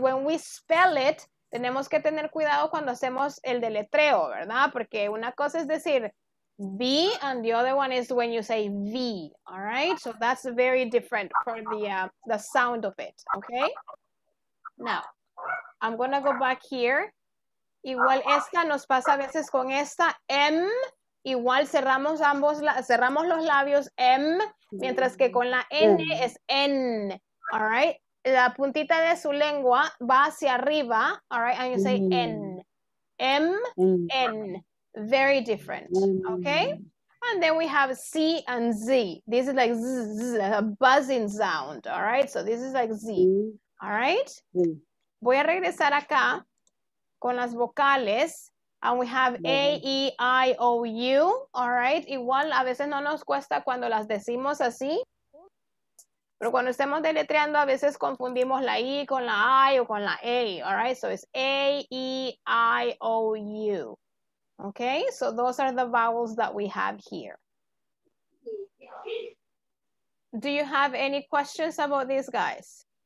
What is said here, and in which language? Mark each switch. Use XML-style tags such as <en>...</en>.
<en>When we spell it,</en> <es>tenemos que tener cuidado cuando hacemos el deletreo, ¿verdad? Porque una cosa es decir</es> <en>B and the other one is when you say V, all right? So that's very different for the sound of it, okay? Now, I'm gonna go back here</en> <es>Igual esta nos pasa a veces con esta. M, igual cerramos ambos, cerramos los labios, M, mientras que con la N es N.</es> <en>All right.</en> <es>La puntita de su lengua va hacia arriba.</es> <en>All right. And you say N. M, N. Very different. Okay. And then we have C and Z. This is like z, z, a buzzing sound. All right. So this is like Z. All right.</en> <es>Voy a regresar acá con las vocales.</es> <en>And we have A, E, I, O, U. All right.</en> <es>Igual a veces no nos cuesta cuando las decimos así. Pero cuando estemos deletreando, a veces confundimos la I con la I o con la A.</es> <en>All right. So it's A, E, I, O, U. Okay, so those are the vowels that we have here. Do you have any questions about these guys?</en>